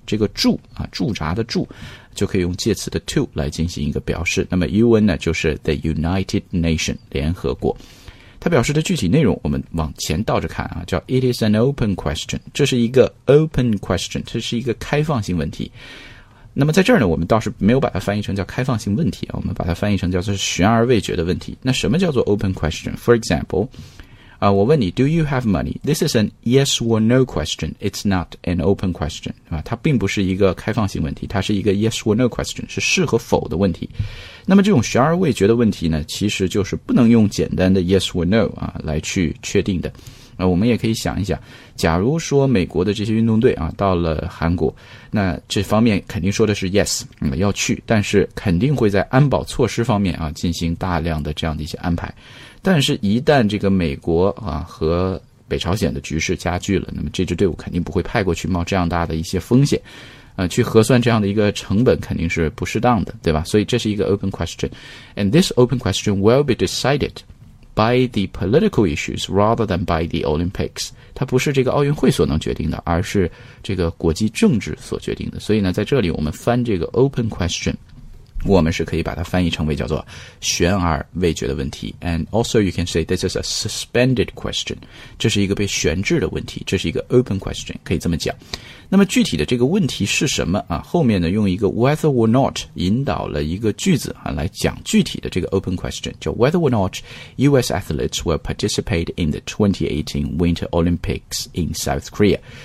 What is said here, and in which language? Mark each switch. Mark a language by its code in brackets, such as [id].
[zh] 这个驻啊，驻扎的驻，就可以用介词的 to 来进行一个表示。那么 UN 呢就是 the United Nation, 联合国。它表示的具体内容我们往前倒着看啊，叫 [en] it is an open question, [zh] 这是一个 open question, 这是一个开放性问题。那么在这儿呢，我们倒是没有把它翻译成叫开放性问题，我们把它翻译成叫做悬而未决的问题。那什么叫做 open question? [en] For example, 啊， [zh] 我问你 [en] ,do you have money? This is an yes or no question. It's not an open question. [zh] 啊，它并不是一个开放性问题，它是一个 yes or no question, 是是和否的问题。那么这种悬而未决的问题呢，其实就是不能用简单的 yes or no, 啊，来去确定的。我们也可以想一想，假如说美国的这些运动队啊到了韩国，那这方面肯定说的是 yes, 要去，但是肯定会在安保措施方面啊进行大量的这样的一些安排。但是一旦这个美国啊和北朝鲜的局势加剧了，那么这支队伍肯定不会派过去，冒这样大的一些风险。去核算这样的一个成本肯定是不适当的，对吧？所以这是一个 open question. [en] And this open question will be decided by the political issues rather than by the Olympics. [zh] 它不是这个奥运会所能决定的，而是这个国际政治所决定的。所以呢，在这里我们翻这个 open question，我们是可以把它翻译成为叫做悬而未决的问题。 [en] And also you can say this is a suspended question. [zh] 这是一个被悬置的问题，这是一个 open question, 可以这么讲。那么具体的这个问题是什么啊？后面呢用一个 [en] whether or not [zh] 引导了一个句子啊，来讲具体的这个 [en] open question, 叫 whether or not US athletes will participate in the 2018 Winter Olympics in South Korea.